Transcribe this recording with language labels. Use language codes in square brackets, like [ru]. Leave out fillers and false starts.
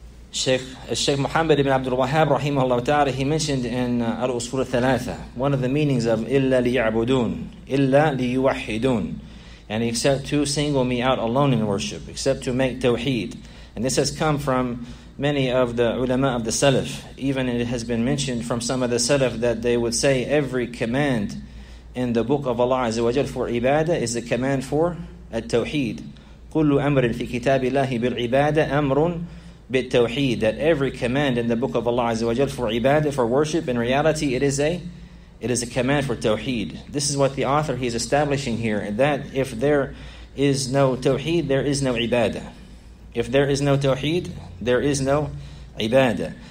[en] Sheikh Muhammad ibn Abdul Wahhab rahimahullah ta'ala, he mentioned in al-usul al-thalatha, one of the meanings of [ar] illa liya'budun, illa liyuwahhidun, [en] and except to single me out alone in worship, except to make tawheed. And this has come from many of the ulama of the salaf. Even it has been mentioned from some of the salaf that they would say every command in the book of Allah Azza wa Jal for ibadah is the command for at-tawheed. [ar] كل أمر في كتاب الله بالعبادة أمر بالتوحيد. [en] That every command in the book of Allah Azza wa Jal for ibadah, for worship, in reality it is a command for tawheed. This is what the author, he is establishing here, that if there is no tawheed, there is no ibadah. If there is no tawheed, there is no ibadah.